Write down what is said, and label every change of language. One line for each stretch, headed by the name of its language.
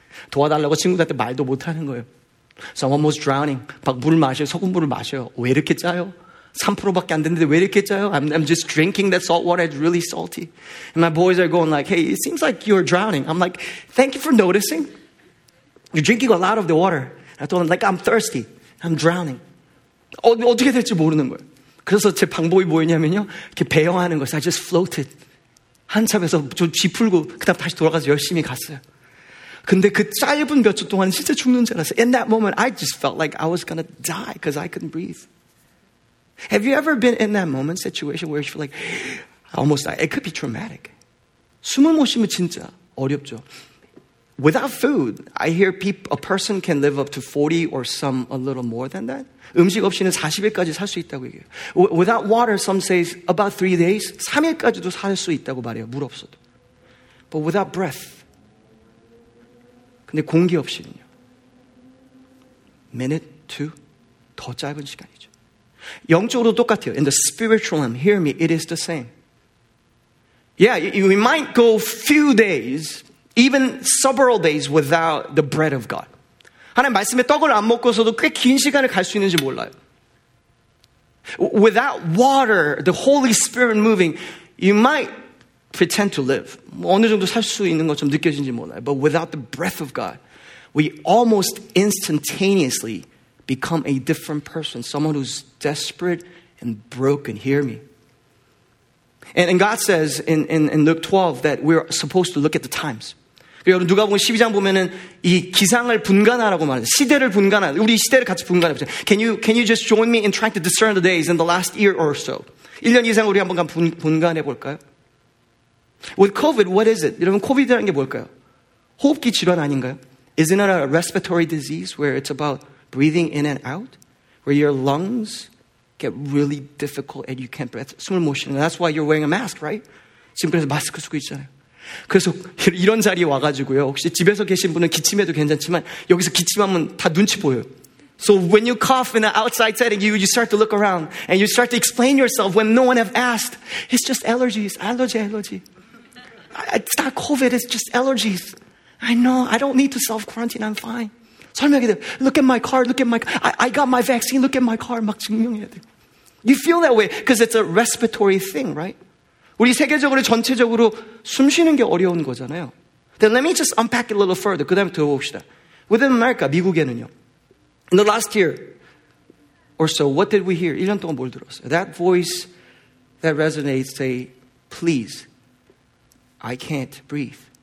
Korean: 도와달라고 친구들한테 말도 못하는 거예요.
English: So I'm almost drowning.
Korean: 막 물 마셔요. 소금 물을 마셔요. 왜 이렇게 짜요? 3%밖에 안 됐는데 왜 이렇게 짜요?
English: I'm just drinking that salt water. It's really salty. And my boys are going like, hey, it seems like you're drowning. I'm like, thank you for noticing. You're drinking a lot of the water. And I told them, like, I'm thirsty. I'm drowning.
Korean: 어떻게 될지 모르는 거예요. 그래서 제 방법이 뭐였냐면요. 이렇게 배영하는 거예요.
English: I just floated.
Korean: 한참에서 좀 쥐풀고 그다음 다시 돌아가서 열심히 갔어요. 근데 그 짧은 몇 초 동안 진짜 죽는 줄 알았어요.
English: In that moment, I just felt like I was going to die because I couldn't breathe. Have you ever been in that moment, situation where you feel like, I almost died? It could be traumatic.
Korean: 숨을 못 쉬면 진짜 어렵죠.
English: Without food, I hear a person can live up to 40 or some a little more than that.
Korean: 음식 없이는 40일까지 살 수 있다고 얘기해요.
English: Without water, some say about 3 days.
Korean: 3일까지도 살 수 있다고 말해요. 물 없어도.
English: But without breath.
Korean: 근데 공기 없이는요.
English: Minute, two.
Korean: 더 짧은 시간이죠. 영적으로 똑같아요.
English: In the spiritual realm, hear me, it is the same. Yeah, we might go few days, even several days without the bread of God.
Korean: 하나님 말씀에 떡을 안 먹고서도 꽤 긴 시간을 갈 수 있는지 몰라요.
English: Without water, the Holy Spirit moving, you might pretend to live.
Korean: 어느 정도 살 수 있는 것처럼 느껴지는지 몰라요.
English: But without the breath of God, we almost instantaneously become a different person. Someone who's desperate and broken. Hear me. And God says in Luke 12 that we're supposed to look at the times.
Korean: 여러분 누가복음 12장 보면은 이 기상을 분간하라고 말해요. 시대를 분간하. 우리 시대를 같이 분간해보자.
English: Can you just join me in trying to discern the days in the last year or so?
Korean: 1년 이상 우리 한번 분간해 볼까요?
English: With COVID, what is it?
Korean: 여러분 COVID라는 게 뭘까요? 호흡기 질환 아닌가요?
English: Isn't it a respiratory disease where it's about breathing in and out, where your lungs get really difficult and you can't breathe?
Korean: 숨을 못 쉬는.
English: That's why you're wearing a mask, right?
Korean: 지금 그래서 마스크 쓰고 있잖아요. 그래서 이런 자리에 와가지고요. 혹시 집에서 계신 분은 기침해도 괜찮지만 여기서 기침하면 다 눈치 보여요.
English: So when you cough in an outside setting, you start to look around and you start to explain yourself when no one have asked. It's just allergies. Allergy. It's not COVID. It's just allergies. I know. I don't need to self-quarantine. I'm fine.
Korean: 설명해야 돼.
English: Look at my card. Look at my I got my vaccine. Look at my card.
Korean: 막 증명해야 돼.
English: You feel that way because it's a respiratory thing, right?
Korean: 우리 세계적으로 전체적으로 숨 쉬는 게 어려운 거잖아요.
English: Then let me just unpack it a little further.
Korean: 그 다음에 들어봅시다.
English: Within America,
Korean: 미국에는요.
English: In the last year or so, what did we hear?
Korean: 1년 동안 뭘 들었어요?
English: That voice that resonates, say, please, I can't breathe.